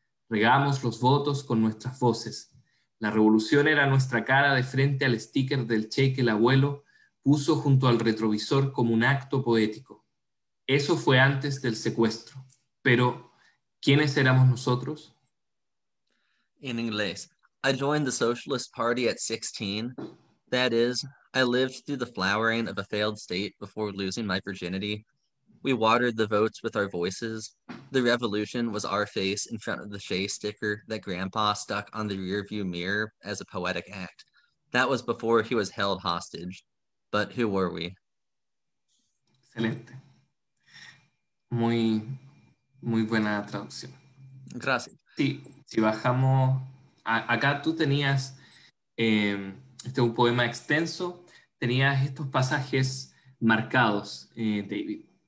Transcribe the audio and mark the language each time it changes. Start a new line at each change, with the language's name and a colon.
Spanish: Regamos los votos con nuestras voces. La revolución era nuestra cara de frente al sticker del Che que el abuelo puso junto al retrovisor como un acto poético. Eso fue antes del secuestro. Pero, ¿quiénes éramos nosotros?
English: In English, I joined the Socialist Party at 16. That is, I lived through the flowering of a failed state before losing my virginity. We watered the votes with our voices. The revolution was our face in front of the Che sticker that Grandpa stuck on the rearview mirror as a poetic act. That was before he was held hostage. But who were we?
Spanish: Excelente. Muy, muy buena traducción. Gracias. Si bajamos, acá tú tenías, este es un poema extenso, tenías estos pasajes marcados, David.